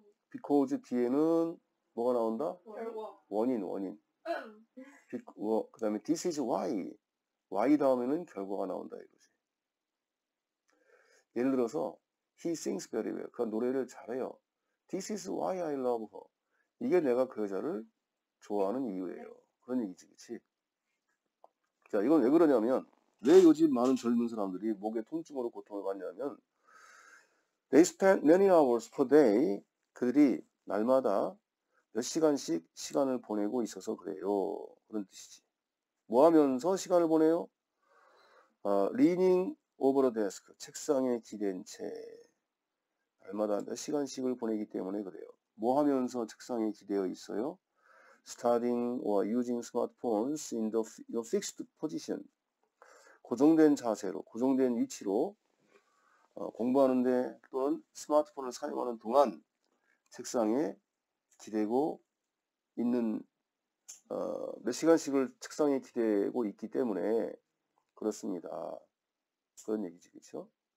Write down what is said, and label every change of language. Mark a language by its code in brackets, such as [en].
[ko] because 뒤에는 뭐가 나온다? 원인. 그 다음에 this is why. Y 다음에는 결과가 나온다 이거지. 예를 들어서 [en] He sings very well. [ko] 그가 노래를 잘해요. [en] This is why I love her. [ko] 이게 내가 그 여자를 좋아하는 이유예요. 그런 얘기지, 그치? 자, 이건 왜 그러냐면 왜 요즘 많은 젊은 사람들이 목에 통증으로 고통을 받냐면 [en] They spend many hours per day. [ko] 그들이 날마다 몇 시간씩 시간을 보내고 있어서 그래요. 그런 뜻이지. 뭐 하면서 시간을 보내요? [en] Leaning over a desk, [ko] 책상에 기댄 채. 날마다 몇 시간씩을 보내기 때문에 그래요. 뭐 하면서 책상에 기대어 있어요? [en] Studying or using smartphones in your fixed position. [ko] 고정된 자세로, 고정된 위치로 공부하는데 또는 스마트폰을 사용하는 동안 책상에 기대고 있는 몇 시간씩을 책상에 기대고 있기 때문에 그렇습니다. 그런 얘기지, 그렇죠?